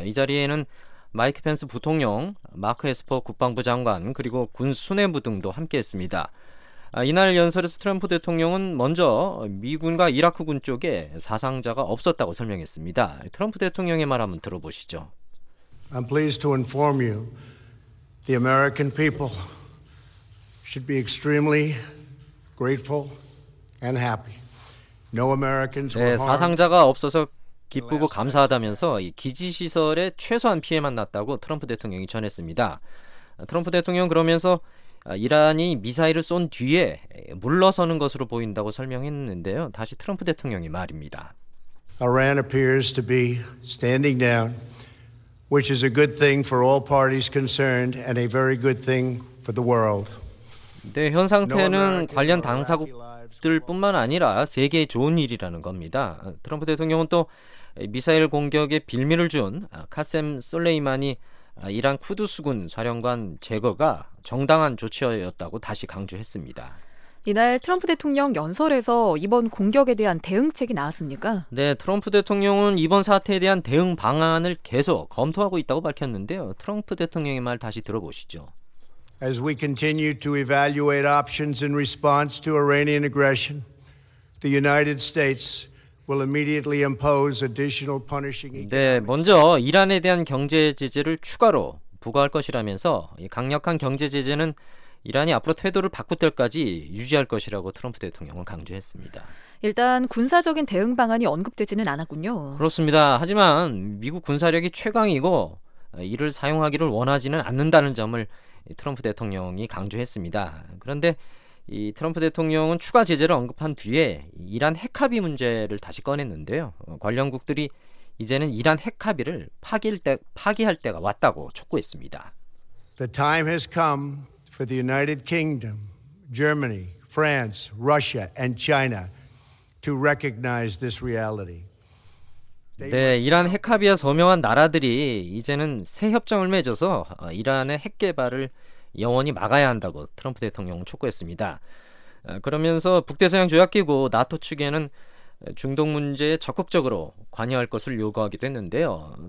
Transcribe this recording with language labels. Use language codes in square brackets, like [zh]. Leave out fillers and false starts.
[ko] 이 자리에는 마이크 펜스 부통령, 마크 에스퍼 국방부 장관, 그리고 군 수뇌부 등도 함께했습니다. 이날 연설에서 트럼프 대통령은 먼저 미군과 이라크군 쪽에 사상자가 없었다고 설명했습니다. 트럼프 대통령의 말 한번 들어보시죠. [en] I'm pleased to inform you the American people should be extremely grateful and happy. No Americans were harmed. [ko] 네, 사상자가 없어서 기쁘고 감사하다면서 이 기지시설에 최소한 피해만 났다고 트럼프 대통령이 전했습니다. 트럼프 대통령은 그러면서 이란이 미사일을 쏜 뒤에 물러서는 것으로 보인다고 설명했는데요. 다시 트럼프 대통령의 말입니다. [en] Iran appears to be standing down, which is a good thing for all parties concerned and a very good thing for the world. [ko] 네, 현 상태는 관련 당사국 들뿐만 아니라 세계에 좋은 일이라는 겁니다. 트럼프 대통령은 또 미사일 공격에 빌미를 준 카셈 솔레이마니 이란 쿠두스군 사령관 제거가 정당한 조치였다고 다시 강조했습니다. 이날 트럼프 대통령 연설에서 이번 공격에 대한 대응책이 나왔습니까? 네, 트럼프 대통령은 이번 사태에 대한 대응 방안을 계속 검토하고 있다고 밝혔는데요. 트럼프 대통령의 말 다시 들어보시죠. [en] As we continue to evaluate options in response to Iranian aggression, the United States will immediately impose additional punishing. [ko] 네, 먼저 이란에 대한 경제 제재를 추가로 부과할 것이라면서 강력한 경제 제재는 이란이 앞으로 태도를 바꿀 때까지 유지할 것이라고 트럼프 대통령은 강조했습니다. 일단 군사적인 대응 방안이 언급되지는 않았군요. 그렇습니다. 하지만 미국 군사력이 최강이고 이를 사용하기를 원하지는 않는다는 점을 트럼프 대통령이 강조했습니다. 그런데 이 트럼프 대통령은 추가 제재를 언급한 뒤에 이란 핵합의 문제를 다시 꺼냈는데요. 관련국들이 이제는 이란 핵합의를 파기할 때가 왔다고 촉구했습니다. [en] The time has come for the United Kingdom, Germany, France, Russia, and China to recognize this reality. [ko] 네, 이란 핵합의와 서명한 나라들이 이제는 새 협정을 맺어서 이란의 핵 개발을 영원히 막아야 한다고 트럼프 대통령은 촉구했습니다. 그러면서 북대서양 조약기구 나토 측에는 중동 문제에 적극적으로 관여할 것을 요구하기도 했는데요.